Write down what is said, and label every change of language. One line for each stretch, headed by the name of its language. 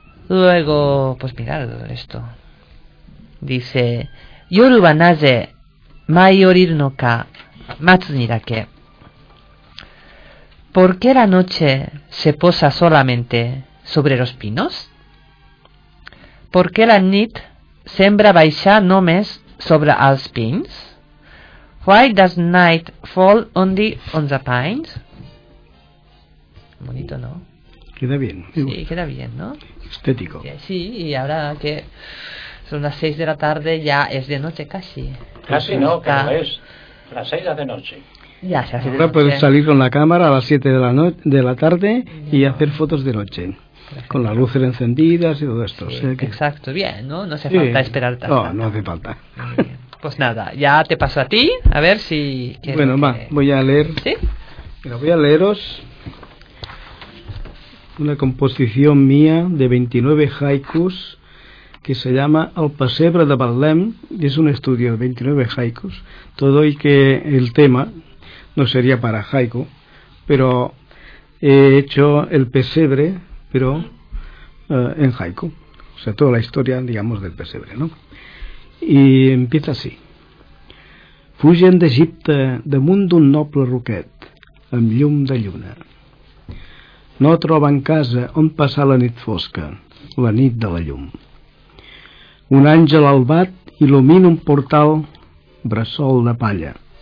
Spanish: Luego, pues mirad esto. Dice:
Japanese: Yoru wa naze mai oriru no ka matsu ni dake.
Spanish: ¿Por qué la noche se posa solamente sobre los pinos? ¿Por qué
Catalan: la nit sembra baixar només sobre els pins?
English: Why does night fall only on the pines?
Spanish: Bonito, ¿no? Queda bien. Sí, queda bien, ¿no? Estético. Sí, y ahora que son las 6 de la tarde, ya es de noche casi. Casi no, que no es. Las 6 de noche. Ya se hace. Ahora puedes salir con la cámara a las 7 de la tarde y hacer fotos de noche. Con las luces encendidas y todo esto. Sí, exacto, bien, ¿no? No hace falta esperar tanto. No hace falta. Pues nada, ya te paso a ti, a ver si... Bueno, va, voy a leer. Sí. Mira, voy a leeros una composición mía de 29 haikus que se llama El Pessebre de Betlem, y es un estudio de 29 haikus. Todo y que el tema no sería para haiku, pero he hecho el pesebre, pero en haiku. O sea, toda la historia, digamos, del pesebre, ¿no? I empieza así.
Catalan: Fugen d'Egipte damunt d'un noble roquet amb llum de lluna. No troben casa on passar la nit fosca, la nit de la llum. Un àngel albat il·lumina un portal bressol de palla.